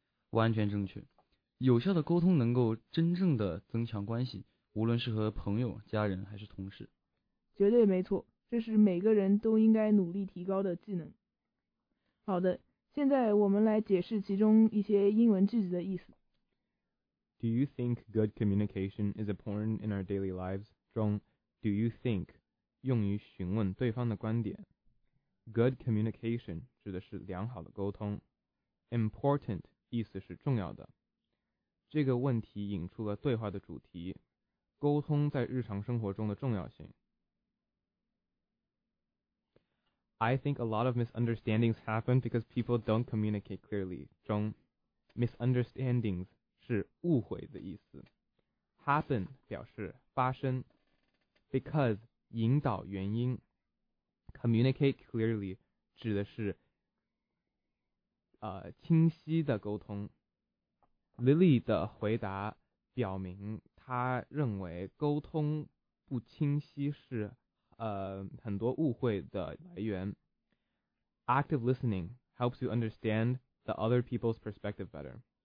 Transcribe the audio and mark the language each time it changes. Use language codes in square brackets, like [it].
[zh] 完全正确，有效的沟通能够真正的增强关系，无论是和朋友、家人还是同事。绝对没错，这是每个人都应该努力提高的技能。好的，现在我们来解释其中一些英文句子的意思。 [en] Do you think good communication is important in our daily lives? [zh] 中 [en] Do you think [zh] 用于询问对方的观点。 [en] Good communication [zh] 指的是良好的沟通。Important 意思是重要的。这个问题引出了对话的主题，沟通在日常生活中的重要性。 [en] I think a lot of misunderstandings happen because people don't communicate clearly. [zh] 中 Misunderstandings是误会的意思。 Happen 表示发生。Because 引导原因。 [en] Communicate clearly [zh] 指的是清晰的沟通。 Lily 的回答表明他认为沟通不清晰是很多误会的来源。 [en] Active listening helps you understand the other people's perspective better.